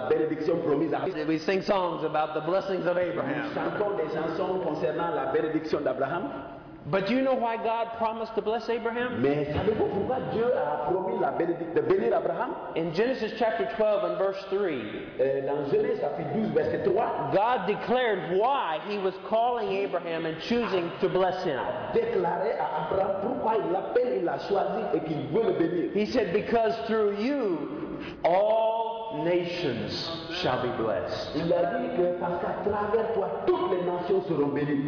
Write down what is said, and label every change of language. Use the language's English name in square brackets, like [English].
[English] We sing songs about the blessings of Abraham. But do you know why God promised to bless Abraham? [French] Mais savez-vous pourquoi Dieu a promis la bénédiction de bénir Abraham? [English] In Genesis chapter 12 and verse 3, [French] dans Genèse chapitre 12 verset 3, [English] God declared why He was calling Abraham and choosing to bless him. [French] Déclaré à Abraham pourquoi il l'appelle, il l'a choisi et qu'il veut le bénir. [English] He said, because through you all nations shall be blessed. [French] Il a dit que parce qu'à travers toi toutes les nations seront bénies.